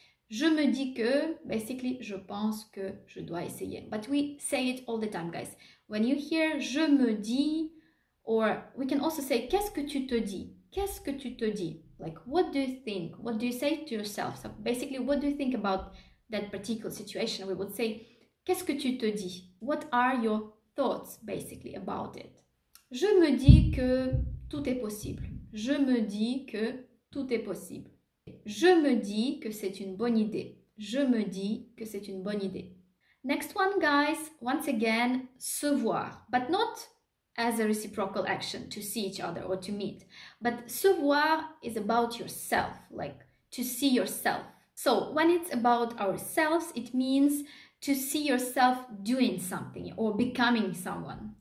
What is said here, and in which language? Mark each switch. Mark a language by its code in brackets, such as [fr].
[fr] Je me dis que, basically, je pense que je dois essayer. [en] But we say it all the time, guys. When you hear [fr] je me dis, [en] or we can also say [fr] qu'est-ce que tu te dis? Qu'est-ce que tu te dis? [en] Like, what do you think? What do you say to yourself? So basically, what do you think about that particular situation? We would say [fr] qu'est-ce que tu te dis? [en] What are your thoughts, basically, about it? [fr] Je me dis que tout est possible. Je me dis que tout est possible. Je me dis que c'est une bonne idée. Je me dis que c'est une bonne idée. [en] Next one, guys. Once again, se voir. But not as a reciprocal action, to see each other or to meet. But se voir is about yourself, like to see yourself. So when it's about ourselves, it means to see yourself doing something or becoming someone.